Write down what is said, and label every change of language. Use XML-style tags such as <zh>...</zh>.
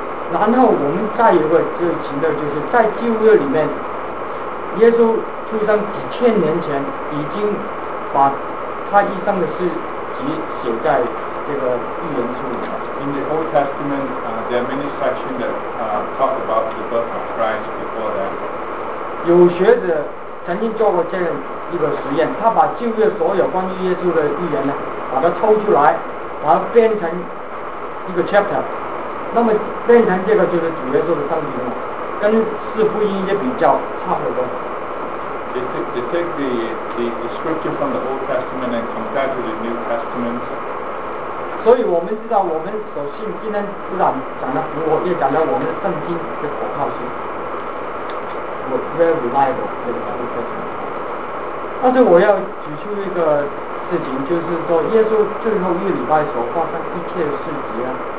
<zh>然后我们再一个就行的，就是在旧约里面，耶稣出生几千年前已经把他一生的事迹写在这个预言书里了。</zh> <en>In the Old Testament, there are many sections that talk about the birth of Christ before that.</en> <zh>有学者曾经做过这样一个实验，他把旧约所有关于耶稣的预言呢，把它抽出来，把它编成一个 chapter。那么变成这个就是主耶稣的生平了，跟四福音也比较差不多。</zh> <en>They take the scripture from the Old Testament and compare to the New Testament.</en> <zh>所以我们知道，我们所信今天不但讲的符合，也讲到我们的圣经的可靠性。</zh> <en>We're very reliable in the Old Testament.</en> <zh>但是我要举出一个事情，就是说耶稣最后一礼拜所发生一切事迹啊。</zh>